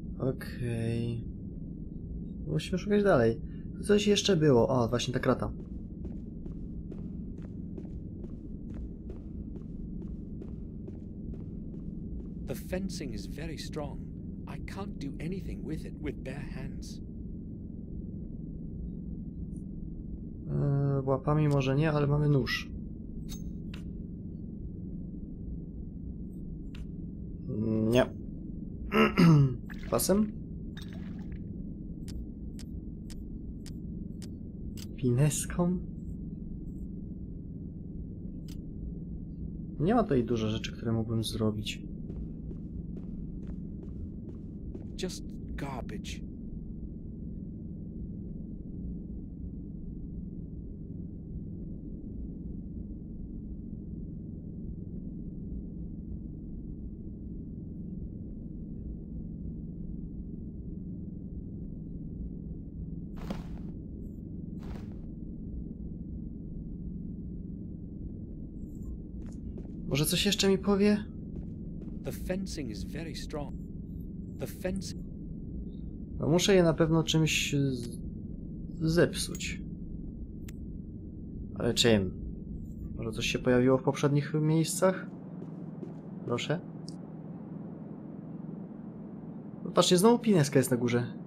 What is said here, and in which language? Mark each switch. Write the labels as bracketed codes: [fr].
[pl] Okej. Musimy szukać dalej. Coś jeszcze było. O, właśnie ta krata. [en] The fencing is very strong. I can't do anything with it with bare hands. [pl] Łapami może nie, ale mamy nóż. Nie. Pasem? Pineską? Nie ma tutaj dużo rzeczy, które mógłbym zrobić. [en] Just garbage. [pl] Może coś jeszcze mi powie? [en] The fencing is very strong. The fencing. [pl] No muszę je na pewno czymś zepsuć. Ale czym? Może coś się pojawiło w poprzednich miejscach? Proszę. Patrzcie, znowu pineska jest na górze.